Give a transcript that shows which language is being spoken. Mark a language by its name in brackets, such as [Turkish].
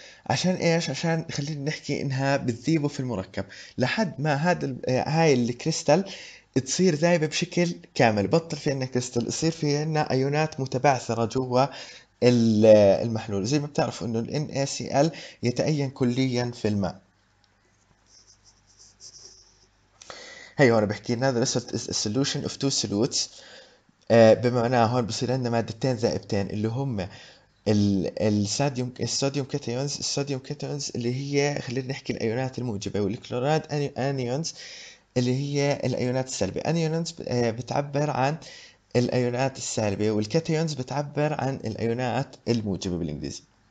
[Arabic] عشان ايش؟ عشان خلينا نحكي انها بتذيبه في المركب لحد ما هاي الكريستال تصير ذايبه بشكل كامل، بطل في عندنا كريستال، يصير في عندنا ايونات متبعثره جوا المحلول. زي ما بتعرفوا انه ال NaCl يتأين كليا في الماء. هي هون بحكي لنا [English] the result is a solution of two solutes. [Arabic] بمعنى هون بصير عندنا مادتين ذائبتين اللي هم الصوديوم كاتيونز. الصوديوم كاتيونز اللي هي خلينا نحكي الايونات الموجبه، والكلوراد انيونز اللي هي الايونات السالبه. انيونز بتعبر عن الايونات السالبه، والكاتيونز بتعبر عن الايونات الموجبه بالانجليزي.